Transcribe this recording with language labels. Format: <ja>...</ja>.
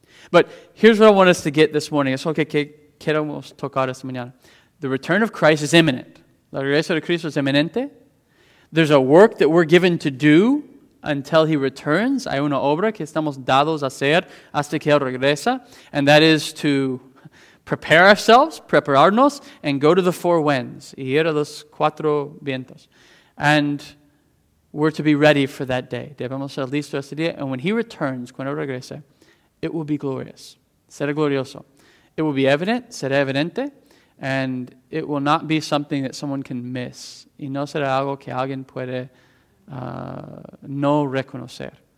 <en>But here's what I want us to get this morning.</en> <es>Es lo que queremos tocar esta mañana.</es> <en>The return of Christ is imminent.</en> <es>La regreso de Cristo es inminente.</es> <en>There's a work that we're given to do until he returns.</en> <es>Hay una obra que estamos dados a hacer hasta que él regresa.</es> <en>And that is to prepare ourselves,</en> <es>prepararnos,</es> <en>and go to the four winds,</en> <es>ir a los cuatro vientos.</es> <en>And we're to be ready for that day.</en> <es>Debemos ser listos ese día.</es> <en>And when he returns,</en> <es>cuando regrese,</es> <en>it will be glorious.</en> <es>Será glorioso.</es> <en>It will be evident,</en> <es>será evidente.</es> <en>And it will not be something that someone can miss.</en> <es>Y no será algo que alguien puede no reconocer.</es>